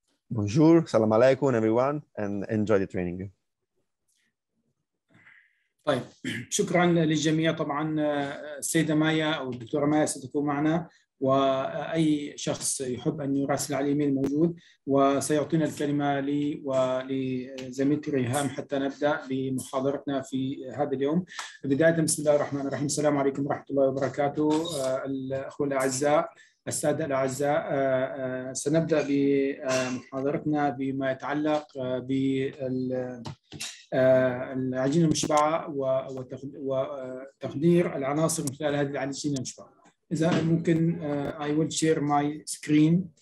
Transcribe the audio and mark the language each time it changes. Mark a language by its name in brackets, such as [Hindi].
[English] Bonjour, salam alaikum, everyone, and enjoy the training. [Arabic] طيب شكرا للجميع. طبعا السيدة مايا أو الدكتورة مايا ستكون معنا، وأي شخص يحب أن يراسل على الإيميل موجود، وسيعطينا الكلمة لي ولزميلتي ريهام حتى نبدأ بمحاضرتنا في هذا اليوم. بداية بسم الله الرحمن الرحيم، السلام عليكم ورحمة الله وبركاته الأخوة الأعزاء السادة الأعزاء. سنبدأ بمحاضرتنا بما يتعلق بال العجينة المشبعة وتخدير العناصر من خلال هذه العجينة المشبعة. إذا ممكن [English] I will share my screen.